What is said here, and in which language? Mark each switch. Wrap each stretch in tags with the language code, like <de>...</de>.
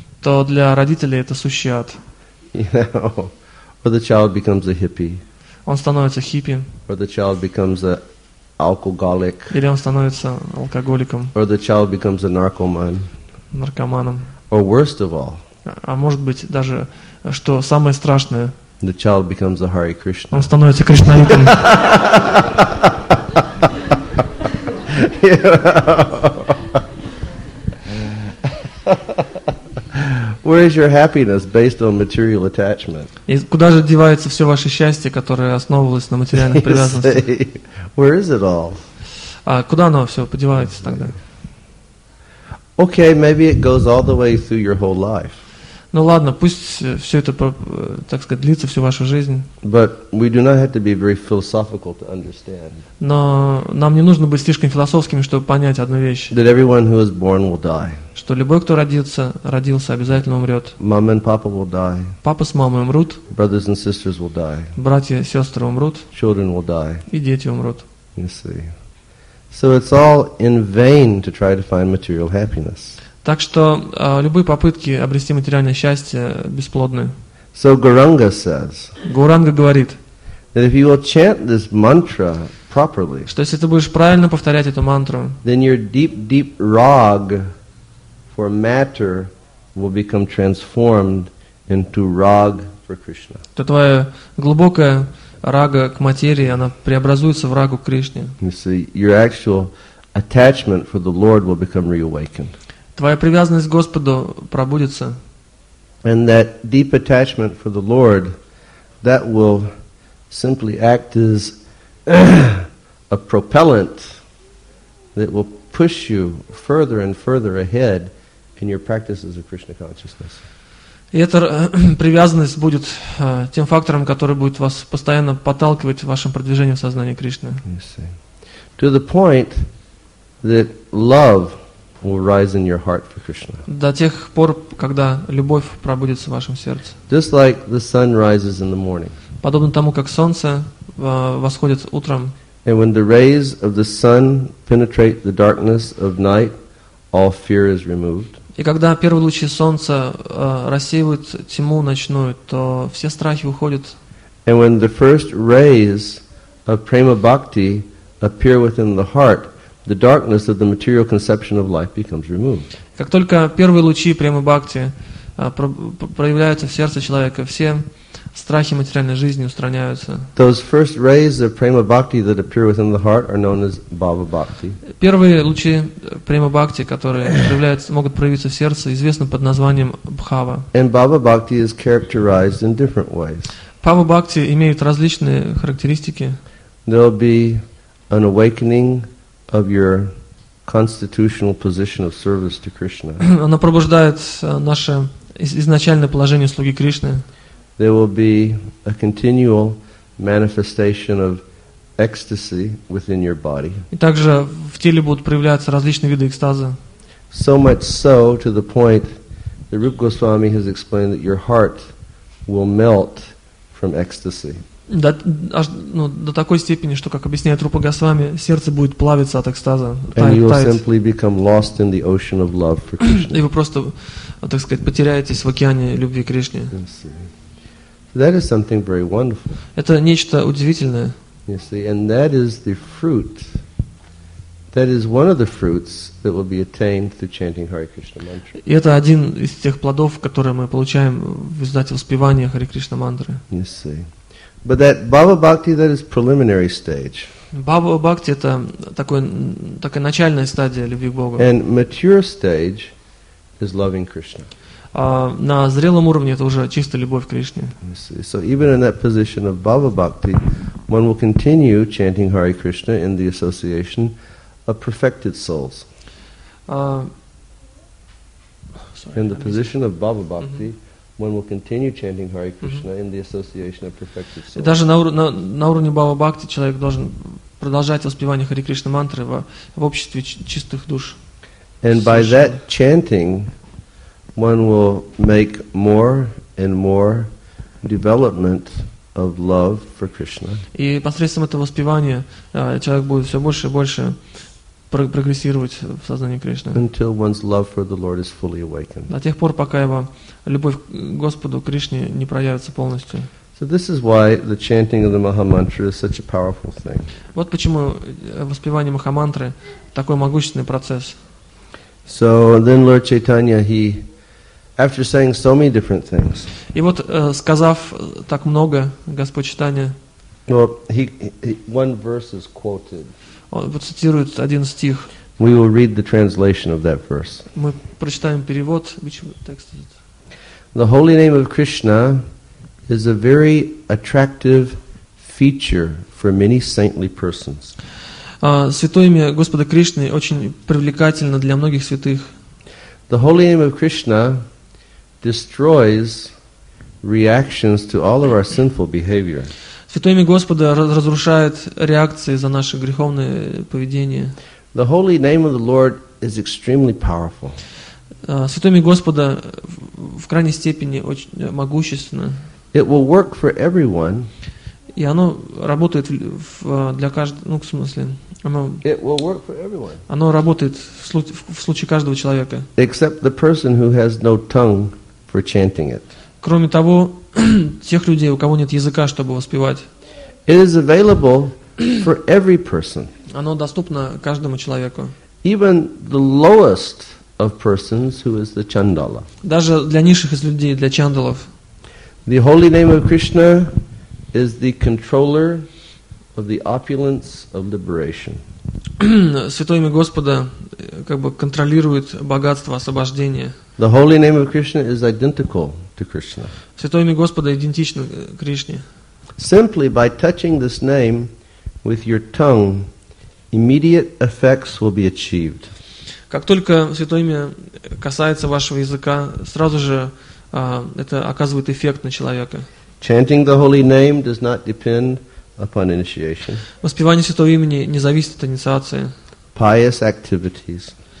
<ru>То для родителей это сущий ад.</ru> <en>Or the child becomes a hippie.</en> <ru>Он становится хиппи.</ru> <en>Or the child becomes an alcoholic.</en> <ru>Или он становится алкоголиком.</ru> <en>Or the child becomes a narcoman.</en> <ru>Наркоманом.</ru> <en>Or worst of all.</en> <ru>А может быть даже что самое страшное.</ru> <en>The child becomes a Hare Krishna.</en> <ru>Он становится кришнаитом.</ru> <en>Where is your happiness based on material attachment?</en> <ru>И куда же девается все ваше счастье, которое основывалось на материальных привязанностях?</ru> <en>Where is it all?</en> <ru>А куда оно все подевается тогда?</ru> <en>Okay, maybe it goes all the way through your whole life.</en> <ru>Ну ладно, пусть все это, так сказать, длится всю вашу жизнь.</ru> <en>But we do not have to be very philosophical to understand.</en> <ru>Но нам не нужно быть слишком философскими, чтобы понять одну вещь.</ru> <en>That everyone who is born will die.</en> <ru>Что любой, кто родился, обязательно умрет.</ru> <en>Mom and papa will die.</en> <ru>Папа с мамой умрут.</ru> <en>Brothers and sisters will die.</en> <ru>Братья и сестры умрут.</ru> <en>Children will die.</en> <ru>И дети умрут.</ru> <en>You see. So it's all in vain to try to find material happiness.</en> <ru>Так что любые попытки обрести материальное счастье бесплодны.</ru> <en>So Gauranga says.</en> <ru>Гауранга говорит.</ru> <en>That if you will chant this mantra properly.</en> <ru>Что если ты будешь правильно повторять эту мантру.</ru> <en>Then your deep, deep rag for matter will become transformed into rag for Krishna.</en> <ru>То твоя глубокая рага к материи, она преобразуется в рагу к Кришне.</ru> <en>You see, your actual attachment for the Lord will become reawakened.</en> <ru>Твоя привязанность к Господу пробудится.</ru> <en>And that deep attachment for the Lord, that will simply act as a propellant that will push you further and further ahead in your practices of Krishna consciousness.</en> <ru>И эта привязанность будет тем фактором, который будет вас постоянно подталкивать в вашем продвижении в сознании Кришны.</ru> <en>You see. To the point that love will rise in your heart for Krishna.</en> <ru>До тех пор, когда любовь пробудится в вашем сердце.</ru> <en>Just like the sun rises in the morning.</en> <ru>Подобно тому, как солнце восходит утром.</ru> <en>And when the rays of the sun penetrate the darkness of night, all fear is removed.</en> <ru>И когда первые лучи солнца рассеивают тьму ночную, то все страхи уходят.</ru> <en>And when the first rays of prema bhakti appear within the heart, the darkness of the material conception of life becomes removed.</en> <ru>Как только первые лучи премы бхакти проявляются в сердце человека, все страхи материальной жизни устраняются.</ru> <en>Those first rays of prema bhakti that appear within the heart are known as bhava bhakti.</en> <ru>Первые лучи премы бхакти, которые могут проявиться в сердце, известны под названием бхава.</ru> <en>And bhava bhakti is characterized in different ways.</en> <ru>Bhava bhakti имеют различные характеристики.</ru> <en>There'll be an awakening of your constitutional position of service to Krishna.</en> <ru>Она пробуждает наше изначальное положение слуги Кришны.</ru> <en>There will be a continual manifestation of ecstasy within your body.</en> <ru>И также в теле будут проявляться различные виды экстаза.</ru> <en>So much so to the point that Rupa Goswami has explained that your heart will melt from ecstasy.</en> <ru>До такой степени, что, как объясняет Рупа Госвами, сердце будет плавиться от экстаза. Таять. И вы просто, так сказать, потеряетесь в океане любви к Кришне.</ru> <en>That is something very wonderful.</en> <ru>Это нечто удивительное.</ru> <en>You see, and that is the fruit. That is one of the fruits that will be attained through chanting Hare Krishna mantra.</en> <ru>И это один из тех плодов, которые мы получаем в результате воспевания Hare Krishna мантры.</ru> <en>You see. But that bhava bhakti, that is preliminary stage.</en> <ru>Bhava bhakti – это такая начальная стадия любви к Богу.</ru> <en>And mature stage is loving Krishna.</en> <ru>На зрелом уровне это уже чисто любовь к Кришне.</ru> <en>So even in that position of bhava bhakti, one will continue chanting Hare Krishna in the association of perfected souls. In the position of bhava bhakti. Mm-hmm. One will continue chanting Hare Krishna in the association of perfected souls.</en> <ru>И даже на уровне бхава бхакти человек должен продолжать воспевание Хари Кришна мантры в обществе чистых душ.</ru> <en>And by that chanting, one will make more and more development of love for Krishna.</en> <ru>И посредством этого воспевания человек будет все больше и больше прогрессировать в сознании Кришны.</ru> <en>Until one's love for the Lord is fully awakened.</en> <ru>До тех пор, пока его любовь к Господу Кришне не проявится полностью.</ru> <en>So this is why the chanting of the Mahamantra is such a powerful thing.</en> <ru>Вот почему воспевание Махамантры такой могущественный процесс.</ru> <en>So then Lord Chaitanya, he after saying so many different things.</en> <ru>И вот сказав так много, Господь Чайтанья.</ru> <en>Well, he one verse is quoted.</en> <ru>Он вот цитирует один стих.</ru> <en>We will read the translation of that verse.</en> <ru>Мы прочитаем перевод.</ru> <en>Which text is it? The holy name of Krishna is a very attractive feature for many saintly persons.</en> <ru>Святое имя Господа Кришны очень привлекательно для многих святых.</ru> <en>The holy name of Krishna destroys reactions to all of our sinful behavior.</en> <ru>Святое имя Господа разрушает реакции за наше греховное поведение.</ru> <en>The holy name of the Lord is extremely powerful.</en> <ru>Святое имя Господа в крайней степени очень могущественно.</ru> <en>It will work for everyone.</en> <ru>И оно работает для каждого, ну, в смысле, оно,</ru> <en>it will work for everyone.</en> <ru>Оно работает в случае каждого человека.</ru> <en>Except the person who has no tongue for chanting it.</en> <ru>Кроме того, тех людей, у кого нет языка, чтобы воспевать.</ru> <en>It is available for every person.</en> <ru>Оно доступно каждому человеку.</ru> <en>Even the lowest of persons who is the chandala.</en> <ru>Даже для низших из людей, для чандалов.</ru> <en>The holy name of Krishna is the controller of the opulence of liberation.</en> <ru>Святое имя Господа как бы контролирует богатство освобождения.</ru> <en>The holy name of Krishna is identical to Krishna.</en> <ru>Святое имя Господа идентично Кришне.</ru> <en>Simply by touching this name with your tongue, immediate effects will be achieved.</en> <ru>Как только святое имя касается вашего языка, сразу же это оказывает эффект на человека.</ru> <en>Chanting the holy name does not depend upon initiation.</en> <ru>Воспевание святого имени не зависит от инициации.</ru> <en>Pious activities.</en>